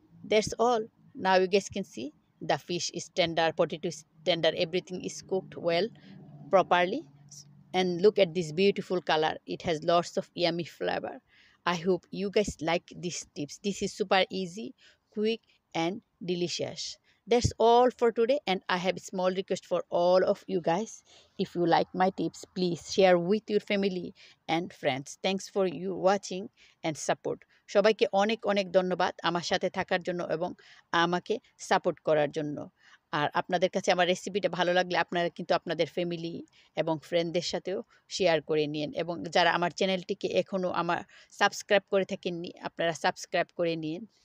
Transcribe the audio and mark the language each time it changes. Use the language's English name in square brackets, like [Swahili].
[English] That's all, now you guys can see the fish is tender, potato is tender, everything is cooked well properly and look at this beautiful colour, it has lots of yummy flavour. I hope you guys like this tips, this is super easy, quick and delicious. That's all for today and I have a small request for all of you guys. If you like my tips, please share with your family and friends. Thanks for your watching and support. [Bangla] সবাইকে অনেক অনেক ধন্যবাদ আমার সাথে থাকার জন্য এবং আমাকে সাপোর্ট করার জন্য। আর আপনাদের কাছে আমার রেসিপিটা ভালো লাগলে আপনারা কিন্তু আপনাদের ফ্যামিলি এবং ফ্রেন্ডদের সাথেও শেয়ার করে নিন, এবং যারা আমার চ্যানেলটিকে এখনও আমার সাবস্ক্রাইব করে থাকেননি আপনারা সাবস্ক্রাইব করে নিন।